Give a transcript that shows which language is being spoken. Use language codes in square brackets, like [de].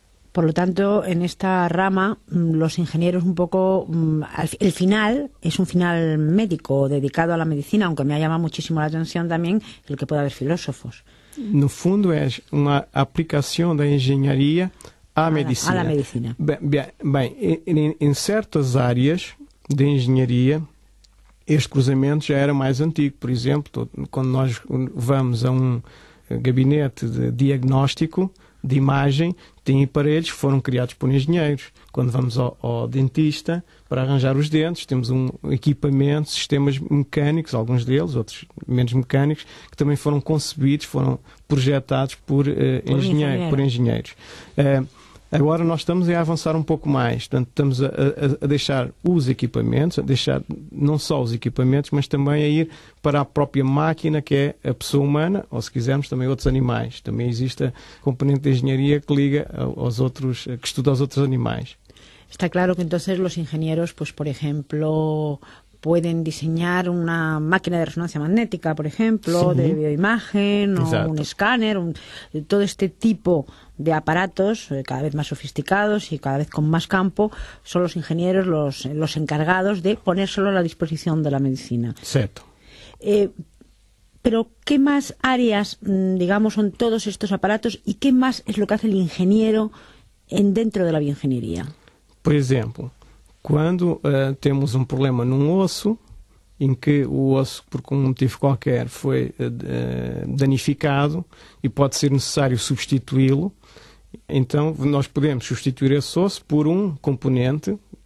[es] Por lo tanto, en esta rama, los ingenieros un poco, el final es un final médico dedicado a la medicina, aunque me ha llamado muchísimo la atención también el que pueda haber filósofos. [pt] No fondo, é uma aplicação da engenharia à medicina. À medicina. Bem, em certas áreas de engenharia, este cruzamento já era mais antigo. Por exemplo, quando nós vamos a um gabinete de diagnóstico, de imagem tem aparelhos que foram criados por engenheiros. Quando vamos ao dentista para arranjar os dentes, temos um equipamento, sistemas mecânicos, alguns deles, outros menos mecânicos, que também foram concebidos, foram projetados por engenheiros. Agora nós estamos a avançar um pouco mais, portanto estamos a deixar os equipamentos, a deixar não só os equipamentos, mas também a ir para a própria máquina, que é a pessoa humana, ou se quisermos também outros animais. Também existe a componente de engenharia que liga aos outros, que estuda aos outros animais. [es] Está claro que entonces los ingenieros, pues por ejemplo, pueden diseñar una máquina de resonancia magnética, por ejemplo, sí, de bioimagen, exacto, o un escáner, todo este tipo de aparatos cada vez más sofisticados y cada vez con más campo, son los ingenieros los encargados de ponérselo a la disposición de la medicina. Cierto. Pero, ¿qué más áreas, digamos, son todos estos aparatos y qué más es lo que hace el ingeniero dentro de la bioingeniería? [pt] Por ejemplo, quando temos um problema num osso, em que o osso, por um motivo qualquer, foi danificado e pode ser necessário substituí-lo, então nós podemos substituir esse osso por um componente